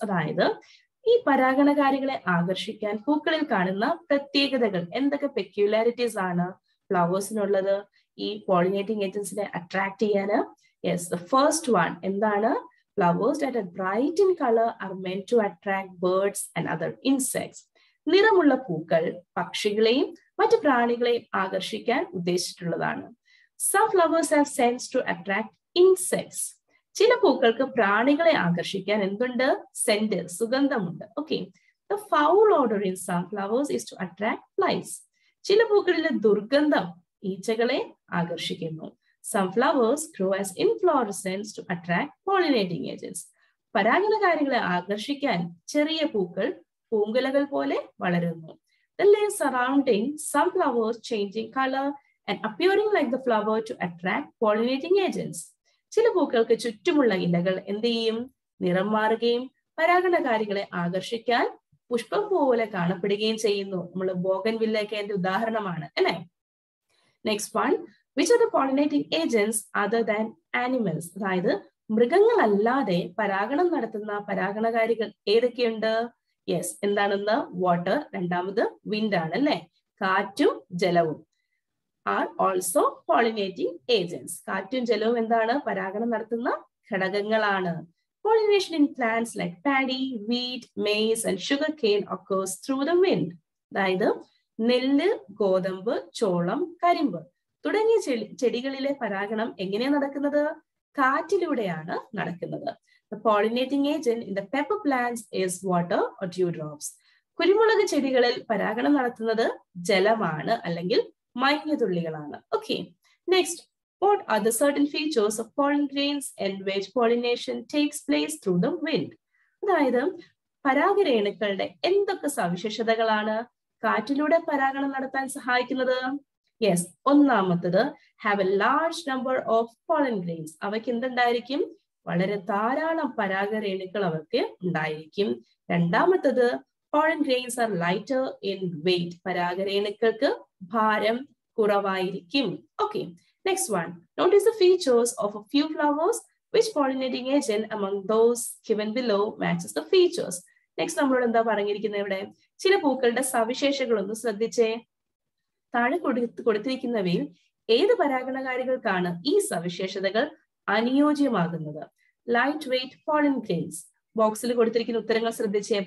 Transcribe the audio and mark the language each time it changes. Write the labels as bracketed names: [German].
[Malayalam] അതായത് ഈ പരാഗണകാരികളെ ആകർഷിക്കാൻ പൂക്കളിൽ കാണുന്ന പ്രത്യേകതകൾ എന്തൊക്കെ, പെക്യുലാരിറ്റീസ് ആണ് ഫ്ലവേഴ്സിനുള്ളത് ഈ പോളിനേറ്റിംഗ് ഏജൻസിനെ അട്രാക്ട് ചെയ്യാന്? [English] yes, the first one, [Malayalam] എന്താണ്? [English] Flowers that are bright in colour are meant to attract birds and other insects. [Malayalam] നിറമുള്ള പൂക്കൾ പക്ഷികളെയും മറ്റു പ്രാണികളെയും ആകർഷിക്കാൻ ഉദ്ദേശിച്ചിട്ടുള്ളതാണ്. [English] Some flowers have scents to attract insects. [Malayalam] ചില പൂക്കൾക്ക് പ്രാണികളെ ആകർഷിക്കാൻ എന്തുണ്ട്? Saint, സുഗന്ധമുണ്ട്. Okay. [English] The foul odor in sunflowers is to attract flies. [Malayalam] ചില പൂക്കളിലെ ദുർഗന്ധം ഈച്ചകളെ ആകർഷിക്കുന്നു. [English] Sunflowers grow as inflorescences to attract pollinating agents. [Malayalam] പരാഗണകാരികളെ ആകർഷിക്കാൻ ചെറിയ പൂക്കൾ പൂങ്കുലകൾ പോലെ വളരുന്നു. [English] The leaves surrounding sunflowers changing color and appearing like the flower to attract pollinating agents. [Malayalam] ചില പൂക്കൾക്ക് ചുറ്റുമുള്ള ഇലകൾ എന്ത് ചെയ്യും? നിറം മാറുകയും പരാഗണകാരികളെ ആകർഷിക്കാൻ പുഷ്പം പോലെ കാണപ്പെടുകയും ചെയ്യുന്നു. നമ്മൾ ബോഗൻവില്ലയൊക്കെ അതിന്റെ ഉദാഹരണമാണ് അല്ലേ. [English] Next one, which are the pollinating agents other than animals? [Malayalam] അതായത് മൃഗങ്ങളല്ലാതെ പരാഗണം നടത്തുന്ന പരാഗണകാരികൾ ഏതൊക്കെയുണ്ട്? യെസ്, എന്താണെന്ന്? വാട്ടർ, രണ്ടാമത് വിൻഡ് ആണ് അല്ലേ. കാറ്റും ജലവും [English] Are also pollinating agents. [Malayalam] കാറ്റും ജലവും എന്താണ്? പരാഗണം നടത്തുന്ന ഘടകങ്ങളാണ്. [English] Pollination in plants like paddy, wheat, maize and sugarcane occurs through the wind. [Malayalam] അതായത് നെല്ല്, ഗോതമ്പ്, ചോളം, കരിമ്പ് തുടങ്ങിയ ചെടികളിലെ പരാഗണം എങ്ങനെയാണ് നടക്കുന്നത്? കാറ്റിലൂടെയാണ് നടക്കുന്നത്. [English] The pollinating agent in the pepper plants is water or dewdrops. [Malayalam] കുരുമുളക് ചെടികളിൽ പരാഗണം നടത്തുന്നത് ജലമാണ് അല്ലെങ്കിൽ മഞ്ഞുതുള്ളികളാണ്. Okay. [English] Next, what are the certain features of pollen grains and which pollination takes place through the wind? [Malayalam] അതായത് പരാഗരേണുക്കളുടെ എന്തൊക്കെ സവിശേഷതകളാണ് കാറ്റിലൂടെ പരാഗണം നടത്താൻ സഹായിക്കുന്നത്? യെസ്, ഒന്നാമത്തത് [English] Have a large number of pollen grains. [Malayalam] അവയ്ക്ക് എന്തുണ്ടായിരിക്കും? വളരെ ധാരാളം പരാഗരേണുക്കൾ അവർക്ക് ഉണ്ടായിരിക്കും. രണ്ടാമത്തത് [English] pollen grains are lighter in weight, [Malayalam] പരാഗരേണുക്കൾക്ക് ഭാരം കുറവായിരിക്കും. Okay. [English] Next one, notice the features of a few flowers. Which pollinating agent among those given below matches the features? [Malayalam] Next, നമ്മളോട് എന്താ പറഞ്ഞിരിക്കുന്നത്? ഇവിടെ ചില പൂക്കളുടെ സവിശേഷതകൾ ഒന്ന് ശ്രദ്ധിച്ചേ. താഴെ കൊടുത്തിരിക്കുന്നവയിൽ ഏത് പരാഗണകാരികൾക്കാണ് ഈ സവിശേഷതകൾ അനുയോജ്യമാകുന്നത്? [English] Light weight pollen grains. [Malayalam] ബോക്സിൽ കൊടുത്തിരിക്കുന്ന ഉത്തരങ്ങൾ ശ്രദ്ധിച്ചേ.